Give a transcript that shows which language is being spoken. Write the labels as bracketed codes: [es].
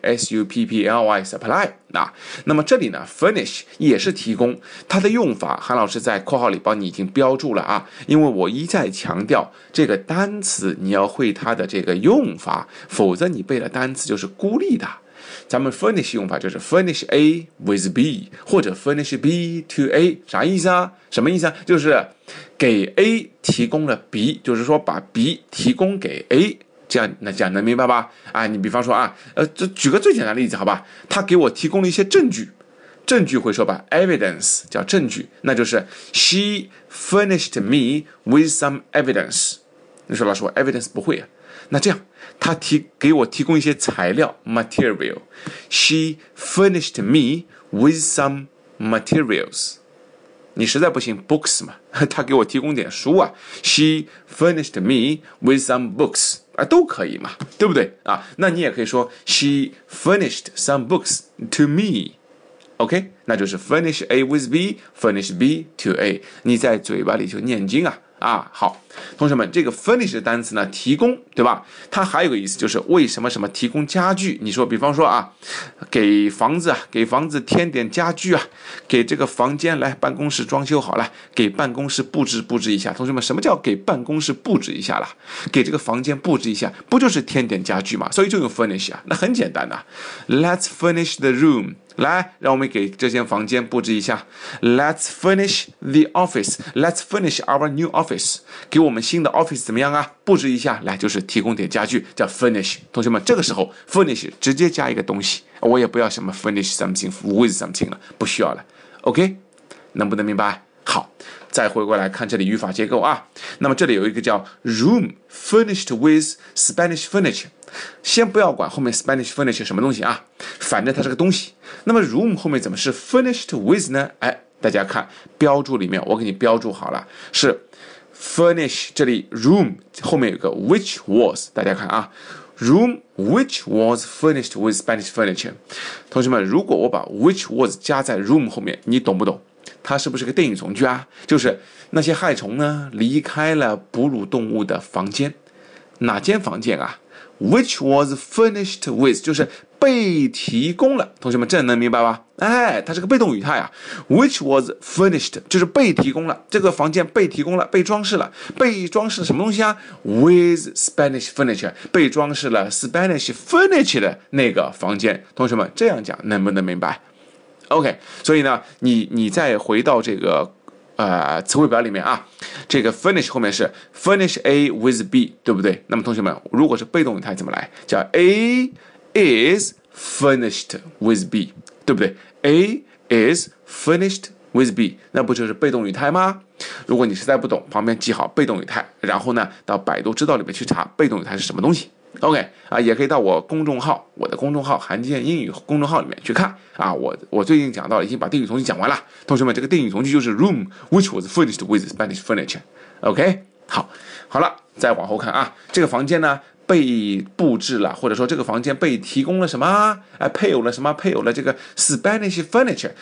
[zh] S-U-P-P-L-Y, supply, 那、啊、那么这里呢 furnish 也是提供，它的用法韩老师在括号里帮你已经标注了啊，因为我一再强调这个单词你要会它的这个用法，否则你背了单词就是孤立的。咱们 furnish 用法就是 furnish A with B 或者 furnish B to A， 啥意思啊？什么意思啊？就是给 A 提供了 B， 就是说把 B 提供给 A， 这样能明白吧？啊，你比方说啊，这举个最简单的例子好吧，他给我提供了一些证据，证据会说吧 ，evidence 叫证据，那就是 [en] she furnished me with some evidence。 [zh] 你说老师我 evidence 不会啊？那这样，他给我提供一些材料 material。 [en] She furnished me with some materials。 [zh] 你实在不行 books 嘛，他给我提供点书啊。 [en] She furnished me with some books [zh] 啊，都可以嘛，对不对啊？那你也可以说 [en] she furnished some books to me。 [zh] OK， 那就是 [en] furnish A with B， furnish B to A， [zh] 你在嘴巴里就念经啊啊。好，同学们，这个 furnish 的单词呢，提供，对吧，它还有个意思，就是为什么什么提供家具。你说比方说啊，给房子啊，给房子添点家具啊，给这个房间来办公室装修好了，给办公室布置布置一下。同学们，什么叫给办公室布置一下了？给这个房间布置一下，不就是添点家具吗？所以就用 furnish 啊，那很简单的、啊、 [en] Let's furnish the room， [zh] 来，让我们给这间房间布置一下。 [en] Let's furnish the office. Let's furnish our new office. [zh] 给我们新的 office 怎么样啊？布置一下，来，就是提供点家具，叫 furnish。同学们，这个时候 furnish 直接加一个东西，我也不要什么 [en] furnish something with something [zh] 了，不需要了。OK， 能不能明白？好，再回过来看这里语法结构啊。那么这里有一个叫 [en] room furnished with Spanish furniture， [zh] 先不要管后面 Spanish furniture 什么东西啊，反正它是个东西。那么 room 后面怎么是 furnished with 呢？哎，大家看标注里面，我给你标注好了，是 furnish， 这里 room 后面有个 which was， 大家看啊， [en] room which was furnished with Spanish furniture。 [zh] 同学们，如果我把 which was 加在 room 后面，你懂不懂它是不是个电影从句啊？就是那些害虫呢离开了哺乳动物的房间，哪间房间啊？ [en] Which was furnished with， [zh] 就是被提供了。同学们，这能明白吧？哎，它是个被动语态啊。 [en] Which was furnished [zh] 就是被提供了，这个房间被提供了，被装饰了。被装饰什么东西啊？ [en] With Spanish furniture， [zh] 被装饰了 [en] Spanish furniture [zh] 的那个房间。同学们，这样讲能不能明白？OK， 所以呢，你再回到这个词汇表里面啊，这个 furnish 后面是 furnish A with B， 对不对？那么同学们，如果是被动语态怎么来？ [en] 叫 A is furnished with B， [zh] 对不对？ [en] A is furnished with B， [zh] 那不就是被动语态吗？如果你实在不懂，旁边记好被动语态，然后呢，到百度知道里面去查被动语态是什么东西。 OK 啊，也可以到我的公众号韩建英语公众号里面去看啊。我最近讲到了，已经把定语从句讲完了。同学们，这个定语从句就是 [en] room which was furnished with Spanish furniture。 [zh] OK， 好了，再往后看啊，这个房间呢被布置了，或者说这个房间被提供了什么、啊、配有了什么，配有了这个 Spanish furniture。